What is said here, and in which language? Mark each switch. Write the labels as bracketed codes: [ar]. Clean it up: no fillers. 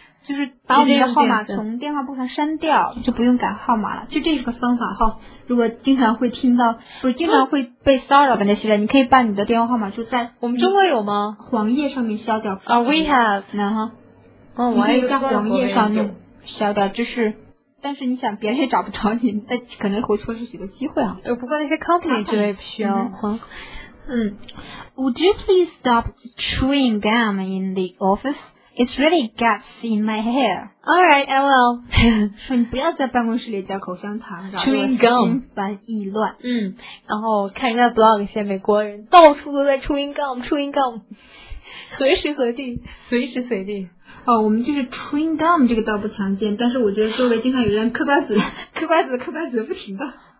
[zh] 就是把我们的号码从电话簿上删掉，就不用改号码了。就这是个方法哈，如果经常会听到，不是经常会被骚扰的那些人，你可以把你的电话号码就在我们中国有吗？黄页上面消掉。 [en] Are we have? [zh] 然后。嗯，我还在黄页上消掉，这是，但是你想别人也找不着你，那可能会错失许多机会啊。不过那些 company 之类不需要。 [en] Would you please stop chewing gum in the office? It's really gets in my hair. All right, I will. [zh] 说你不要在办公室里嚼口香糖 [en] ，chewing gum， [zh] 烦意乱。嗯，然后看人家 blog， 一些美国人到处都在 chewing gum，chewing gum， 何时何地，随时随地。哦，我们就是 chewing gum 这个倒不常见，但是我觉得周围经常有人嗑瓜子，嗑瓜子，嗑瓜子不停的。